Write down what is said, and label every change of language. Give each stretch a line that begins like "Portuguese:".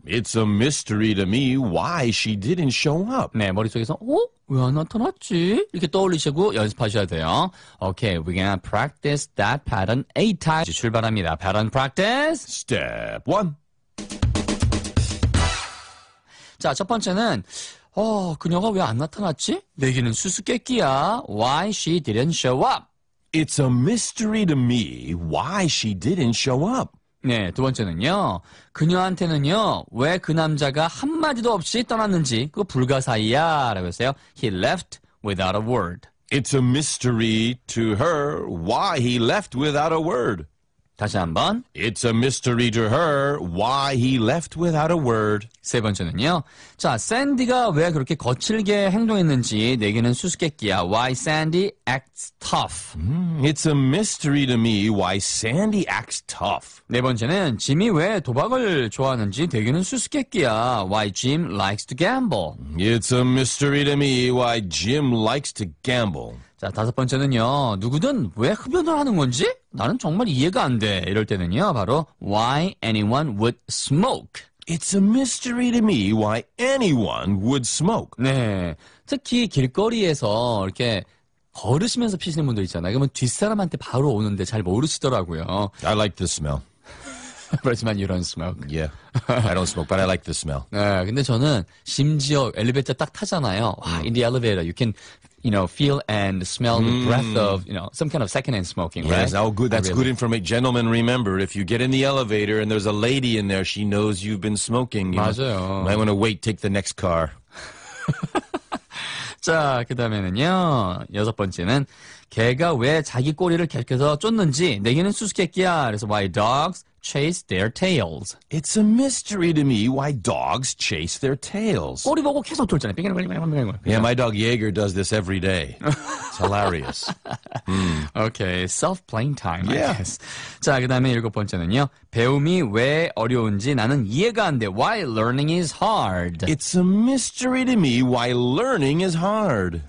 English: It's a mystery to me why she didn't show up.
Korean: 네, 머릿속에서 어? 왜 안 나타났지? 이렇게 떠올리시고 연습하셔야 돼요.
English: Okay, we're gonna practice that pattern 8 times.
Korean: 이제 출발합니다.
English: Pattern practice. Step 1.
Korean: 자, 첫 번째는 그녀가 왜 안 나타났지? 내기는 수수께끼야.
English: Why she didn't show up? It's a mystery to me why she didn't show up.
Korean: 네, 두 번째는요. 그녀한테는요. 왜 그 남자가 한마디도 없이 떠났는지 그거 불가사의야 라고 했어요.
English: He left without a word. It's a mystery to her why he left without a word.
Korean: 다시 한번.
English: It's a mystery to her why he left without a word.
Korean: 세 번째는요. 자, 샌디가 왜 그렇게 거칠게 행동했는지 내기는 수수께끼야.
English: Why Sandy acts tough. It's a mystery to me why Sandy acts tough.
Korean: 네 번째는 짐이 왜 도박을 좋아하는지 내기는 수수께끼야.
English: Why Jim likes to gamble. It's a mystery to me why Jim likes to gamble.
Korean: 자, 다섯 번째는요. 누구든 왜 흡연을 하는 건지 나는 정말 이해가 안 돼. 이럴 때는요. 바로
English: why anyone would smoke. It's a mystery to me why anyone would smoke.
Korean: 네. 특히 길거리에서 이렇게 걸으시면서 피시는 분들 있잖아요. 그러면 뒷사람한테 바로 오는데 잘 모르시더라고요.
English: I like the smell.
Korean: 그렇지만
English: you don't smoke. Yeah. I don't smoke, but I like the smell.
Korean: 네. 근데 저는 심지어 엘리베이터 딱 타잖아요.
English: 와, in the elevator, you can... You know, feel and smell the breath of, you know, some kind of secondhand smoking, yes, right? Yes, oh, good. That's really... good information. Gentlemen, remember, if you get in the elevator and there's a lady in there, she knows you've been smoking.
Korean: You 맞아요.
English: Might want to wait, take the next car.
Korean: 자, 그 다음에는요, 여섯 번째는, 개가 왜 자기 꼬리를 계속해서 쫓는지, 내게는 수수께끼야. 그래서,
English: why dogs chase their tails. It's a mystery to me why dogs chase their tails.
Korean: 꼬리 보고 계속 쫓잖아요.
English: Yeah, my dog Jaeger does this every day. It's hilarious. Okay, self-playing time, yeah. I guess.
Korean: 자, 그 다음에 일곱 번째는요, 배움이 왜 어려운지 나는 이해가 안 돼.
English: Why learning is hard. It's a mystery to me why learning is hard.